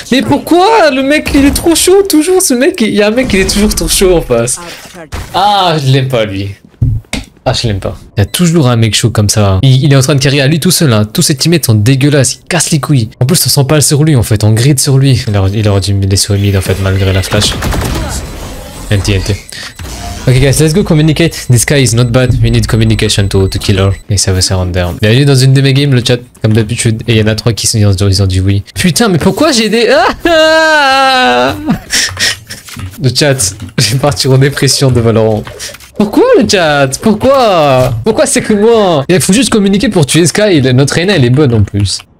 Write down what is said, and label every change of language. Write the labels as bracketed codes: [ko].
[fr] Mais pourquoi le mec, il est trop chaud toujours. Ce mec, il y a un mec, il est toujours trop chaud en face. Ah, je l'aime pas lui. Ah, je l'aime pas. Il y a toujours un mec chaud comme ça. Il est en train de carrer à lui tout seul. Hein. Tous ses teammates sont dégueulasses. Il casse les couilles. En plus, on s'empale sur lui en fait. On grid sur lui. Il aurait dû me laisser au mid en fait, malgré la flash. [en] NT, NT. Ok guys, let's go communicate. This guy is not bad. We need communication to kill her. [fr] Et ça va se rendre down. Il y a eu dans une de mes games le chat, comme d'habitude. Et il y en a trois qui sont dans ce jeu, ils ont dit oui. Putain, mais pourquoi j'ai des... Ah le chat, je vais partir en dépression de Valorant. Pourquoi le chat? Pourquoi? Pourquoi c'est que moi? Il faut juste communiquer pour tuer Sky. Notre reine, elle est bonne en plus.